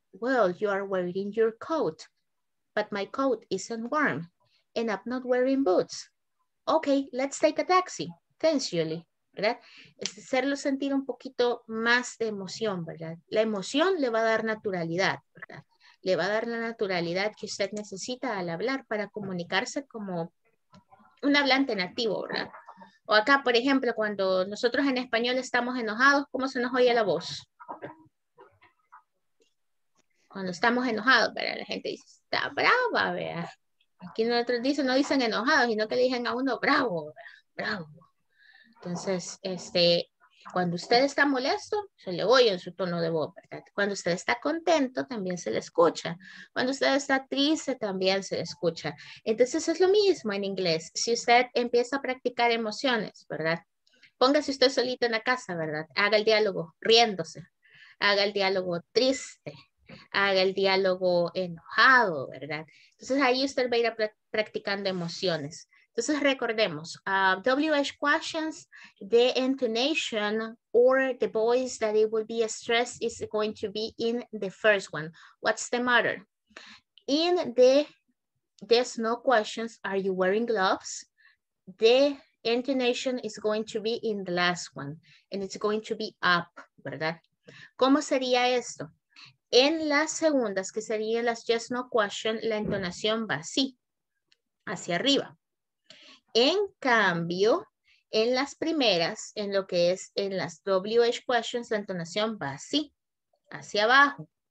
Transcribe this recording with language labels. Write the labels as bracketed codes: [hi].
[en] Well, you are wearing your coat, but my coat isn't warm and I'm not wearing boots. Okay, let's take a taxi. Thanks, Julie. [es] ¿Verdad? Es hacerlo sentir un poquito más de emoción, ¿verdad? La emoción le va a dar naturalidad, ¿verdad? Le va a dar la naturalidad que usted necesita al hablar para comunicarse como un hablante nativo, ¿verdad? O acá, por ejemplo, cuando nosotros en español estamos enojados, ¿cómo se nos oye la voz? Cuando estamos enojados, ¿verdad? La gente dice, está brava, ¿verdad? Aquí nosotros dicen, no dicen enojados, sino que le dicen a uno, bravo, ¿verdad? Bravo. Entonces, cuando usted está molesto, se le oye en su tono de voz, ¿verdad? Cuando usted está contento, también se le escucha. Cuando usted está triste, también se le escucha. Entonces, es lo mismo en inglés. Si usted empieza a practicar emociones, ¿verdad? Póngase usted solito en la casa, ¿verdad? Haga el diálogo riéndose. Haga el diálogo triste. Haga el diálogo enojado, ¿verdad? Entonces, ahí usted va a ir practicando emociones. Entonces recordemos, [en] WH questions, the intonation or the voice that it will be a stress is going to be in the first one. What's the matter? In the there's no questions, are you wearing gloves? The intonation is going to be in the last one and it's going to be up, [es] ¿verdad? ¿Cómo sería esto? En las segundas, que serían las yes no questions, la entonación va así, hacia arriba. En cambio, en las primeras, en lo que es en las WH questions, la entonación va así, hacia abajo.